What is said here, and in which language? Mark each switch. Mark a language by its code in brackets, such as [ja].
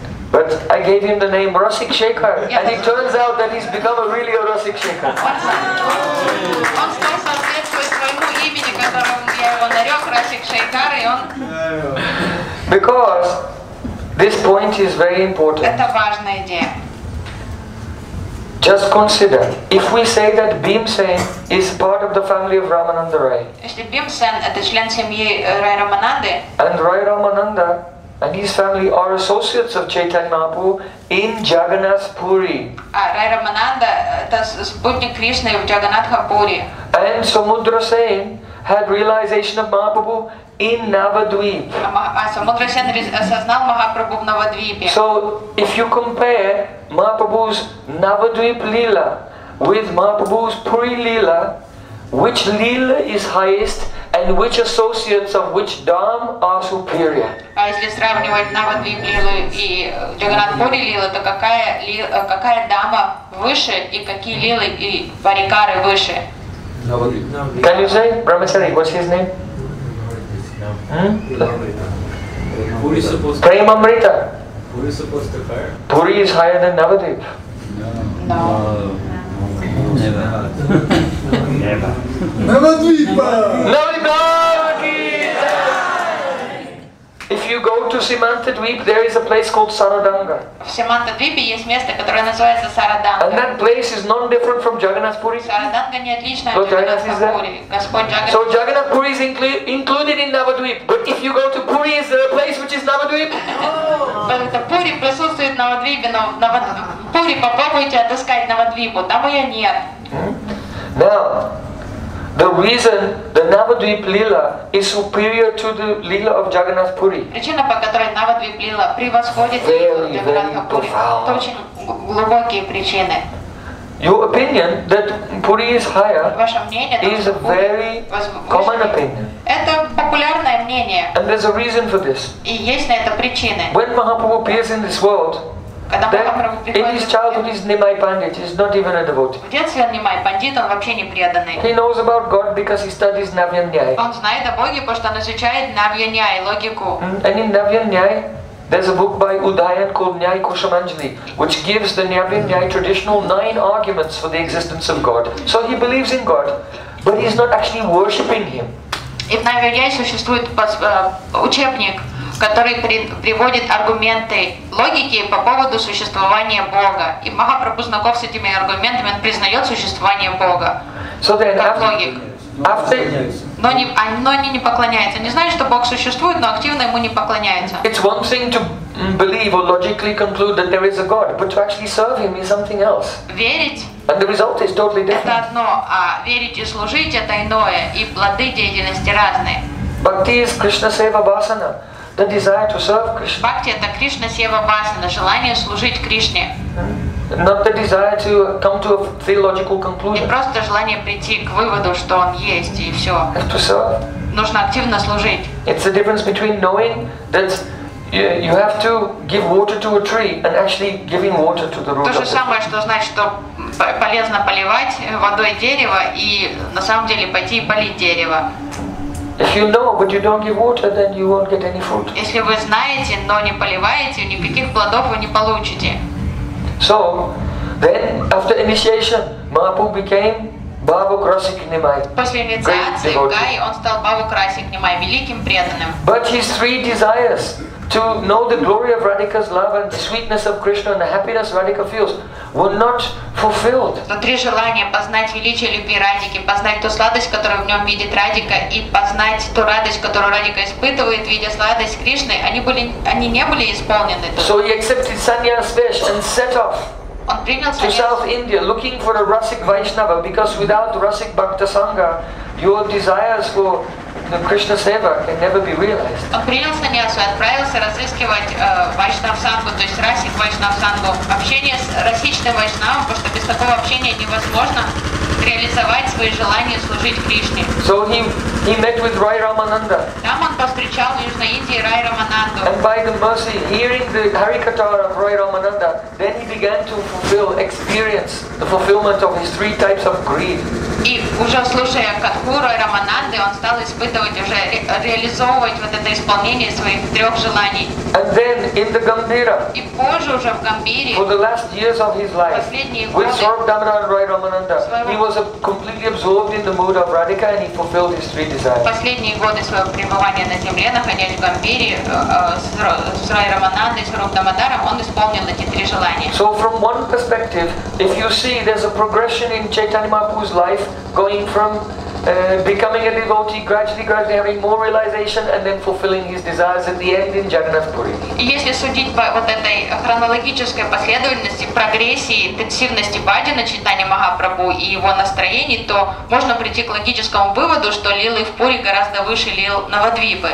[en] But I gave him the name Rasik Shekhar, and it turns out that he's become a really a Rasik Shekhar. [ru] Он стал соответствовать своему имени, которым я его нарек, Rasik Shekhar, и он. [en] Because this point is very important. [ru] Это важная идея. [en] Just consider, if we say that Bhimsen is part of the family of Ramananda Rai, and Rai Ramananda and his family are associates of Chaitanya Mahaprabhu in Jagannath Puri. [ru] Rai Ramananda, это спутник Кришны в Джаганнатха Пури. [en] And Samudra Sen had realization of Mahaprabhu in Navadvip. [ru] Samudra Sen осознал Махапрабху в Навадвипе. [en] So, if you compare Mahaprabhu's Navadvip Leela with Mahaprabhu's Puri Leela, which Leela is highest and which associates of which Dham are superior? [ru] Если сравнивать Навадвип Лилу и Джаганнат Пури Лилу, то какая Дама выше и какие Лилы и Парикары выше? [en] Can you say? Brahmachari, what's his name? Puri is supposed to... Prema Amrita. Puri is supposed to fire. Puri is higher than Navadvip. No. Never. Navadvipa! Navadvipa! If you go to Simantadvip, there is a place called Saradanga. [ru] В Симантадвипе есть место, которое называется Сараданга. [en] And that place is non different from Jagannath Puri. [ru] Сараданга не отлично от Джаганнатха Пури. Господь Джаганнат. [en] So Jagannath Puri is included in Navadvip. But if you go to Puri, is there a place which is Navadvip? [ru] Это Пури присутствует Навадвипе, но Пури попробуйте отыскать Навадвипу, там ее нет. [en] Now, the reason the Navadvip Leela is superior to the Leela of Jagannath Puri. [ru] Причина, по которой Навадвип Лила превосходит Джаганнатха Пури, очень глубокие причины. [en] Your opinion that Puri is higher [ru] мнение, [en] is a very common opinion. [ru] Это популярное мнение. [en] And there's a reason for this. [ru] И есть на это причины. [en] When Mahaprabhu appears in this world, in his childhood he's Nimai Pandit, he's not even a devotee. [ru] В детстве он Nimai Pandit, он вообще не преданный. [en] He knows about God because he studies Navya Nyaya. [ru] Он знает о Боге, потому что он изучает Navya Nyaya, логику. [en] And in Navya Nyaya, there's a book by Udayan called Nyaya Koshamanjali, which gives the Navya Nyaya traditional 9 arguments for the existence of God. So he believes in God, but he's not actually worshipping him. [ru] И в Navya Nyaya существует учебник, который приводит аргументы логики по поводу существования Бога. И Махапрабху знаком с этими аргументами, он признает существование Бога. [en] So then, [ru] как логик. Но они не поклоняются. Они знают, что Бог существует, но активно ему не поклоняются. [en] It's one thing to believe or logically conclude that there is a God, but to actually serve him is something else. [ru] Верить. [en] And the result is totally different. [ru] Это одно, а верить и служить это иное, и плоды деятельности разные. [en] Bhakti is Krishna Seva Basana. The desire to serve Krishna. [ru] Bhakti – это Krishna Seva Basana, желание служить Кришне. [en] Not the desire to come to a theological conclusion. [ru] Не просто желание прийти к выводу, что он есть и все. [en] To serve. [ru] Нужно активно служить. [en] It's the difference between knowing that you have to give water to a tree and actually giving water to the root. [ru] То же самое, что значит, что полезно поливать водой дерево и на самом деле пойти и полить дерево. [en] If you know, but you don't give water, then you won't get any fruit. [ru] Если вы знаете, но не поливаете, никаких плодов вы не получите. [en] So, then after initiation, Mahaprabhu became Bhava Krasik Nimai. [ru] После инициации Гаи он стал Бхава Красик Нимай, великим преданным. [en] But his 3 desires to know the glory of Radhika's love and the sweetness of Krishna and the happiness Radhika feels were not fulfilled. [ru] Но 3 желания познать величие любви Радики, познать ту сладость, которую в нем видит Радика, и познать ту радость, которую Радика испытывает, видя сладость Кришны, они не были исполнены. [en] So he accepted sannyas vesh and set off to South India looking for a rasic Vaishnava, because without rasic Bhakta Sangha, your desires for the Krishna Seva can never be realized. [ru] Он принял саньясу и отправился разыскивать Вайшнав Сангу, то есть расик Вайшнав Сангу. Общение с расичным Вайшнавом, потому что без такого общения невозможно реализовать свои желания служить Кришне. [en] So he met with Rai Ramananda. [ru] Там он повстречал в Южной Индии Рай Рамананду. [en] And by the mercy, hearing the Harikata of Rai Ramananda, then he began to experience the fulfillment of his 3 types of greed. [ru] И уже слушая катху Рай Рамананды, он стал испытывать уже реализовывать вот это исполнение своих 3 желаний. [en] And then in the Gambhira. [ru] И позже уже в Гамбире. [en] For the last years of his life. [ru] Последние годы. [en] With Sarvdhamana and Rai Ramananda. He was completely absorbed in the mood of Radhika and he fulfilled his 3 desires. [ru] Последние годы своего пребывания на земле, находясь в Гамбире, с Рай Раманандой, с Рупдамадаром, он исполнил эти 3 желания. [en] So from one perspective, if you see there's a progression in Chaitanya Mahaprabhu's life, going from becoming a devotee, gradually having more realization and then fulfilling his desires at the end in Jagannath Puri. [ru] Если судить по вот этой хронологической последовательности, прогрессии, интенсивности бхаджана Чайтаньи Махапрабху и его настроений, то можно прийти к логическому выводу, что лилы в Пури гораздо выше лил Навадвипы.